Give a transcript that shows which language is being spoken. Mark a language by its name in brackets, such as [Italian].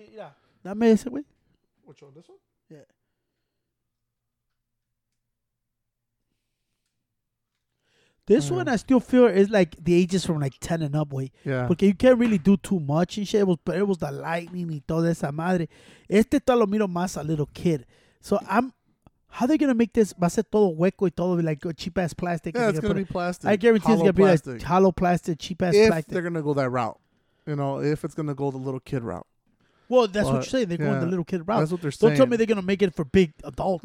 [English] Okay, yeah. That may way. Which one? This one? Yeah. This one, I still feel, is like the ages from like 10 and up, way. Yeah. Because you can't really do too much and shit, but it was the lightning and toda esa madre. [Spanish] Este todo lo miro más a little kid. [English] So how are they going to make this? [Spanish] Va a ser todo hueco y todo like cheap ass plastic. [English] Yeah, it's going to be plastic. I guarantee it's going to be like hollow plastic, cheap ass plastic. If they're going to go that route, you know, if it's going to go the little kid route. Well, that's what you're saying. They're going the little kid route. That's what they're saying. Don't tell me they're going to make it for big adults.